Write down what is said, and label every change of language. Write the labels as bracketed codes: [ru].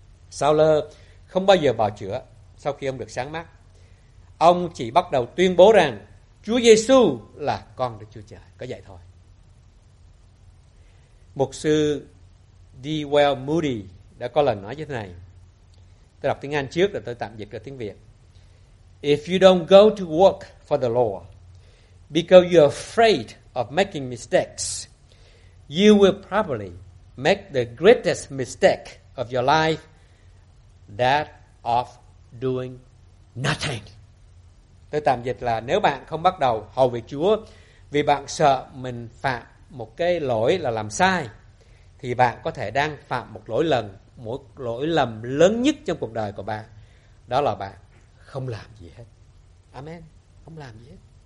[vi] Sao-lơ không bao giờ bào chữa sau khi ông được sáng mắt. Ông chỉ bắt đầu tuyên bố rằng Chúa Giê-xu là con Đức Chúa Trời, có vậy thôi. Mục sư D. Well Moody đã có lần nói như thế này. Tôi đọc tiếng Anh trước rồi tôi tạm dịch ra tiếng Việt. [en] If you don't go to work for the Lord because you're afraid of making mistakes, you will probably make the greatest mistake of your life, that of doing nothing. [vi] Tôi tạm dịch là nếu bạn không bắt đầu hầu việc Chúa vì bạn sợ mình phạm một cái lỗi là làm sai, thì bạn có thể đang phạm một lỗi lầm lớn nhất trong cuộc đời của bạn. Đó là bạn không làm gì hết. Amen. Không làm gì hết.